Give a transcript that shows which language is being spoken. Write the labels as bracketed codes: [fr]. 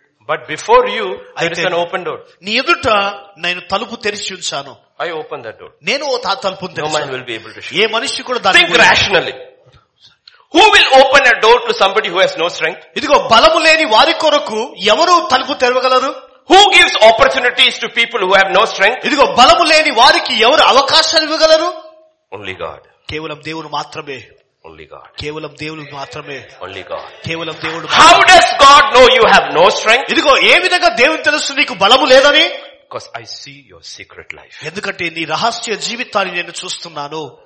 [en] But before you, there is an open door. [te] నీ ఎదుట నేను తలుపు తెరిచి ఉంచాను. [en] I open that door. [te] నేను ఆ తలుపు తెరిచాను. [en] No man will be able to shut. [te] ఏ మనిషి కూడా దాన్ని [en] Think rationally. Who will open a door to somebody who has no strength? [te] ఇదిగో బలము లేని వారి కొరకు ఎవరు తలుపు తెరవగలరు? [en] Who gives opportunities to people who have no strength? [te] ఇదిగో బలము లేని వారికి ఎవరు అవకాశాలు ఇవ్వగలరు? [en] Only God. [te] కేవలం దేవుడు మాత్రమే. [en] Only God. [te] కేవలం దేవుడు మాత్రమే. [en] Only God. [te] కేవలం దేవుడు. [en] How does God know you have no strength? [te] ఇదిగో ఏ విధంగా దేవుని తెలుసు నీకు బలము లేదని? [en] Because I see your secret life. [te] ఎందుకంటే నీ రహస్య జీవితాన్ని నేను చూస్తున్నాను.